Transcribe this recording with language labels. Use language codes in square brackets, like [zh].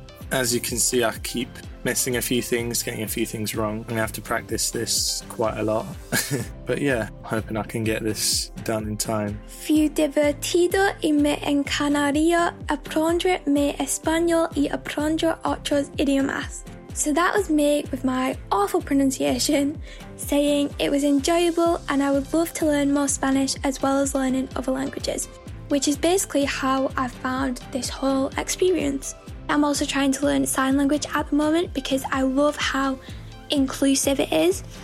[en] As you can see, I keep missing a few things, getting a few things wrong. I'm going to have to practice this quite a lot. But yeah, hoping I can get this done in time. [es] Fui divertido y me encantaría aprender mi español y aprender otros idiomas. [en] So that was me with my awful pronunciation saying it was enjoyable and I would love to learn more Spanish as well as learning other languages, which is basically how I found this whole experience. I'm also trying to learn sign language at the moment because I love how inclusive it is.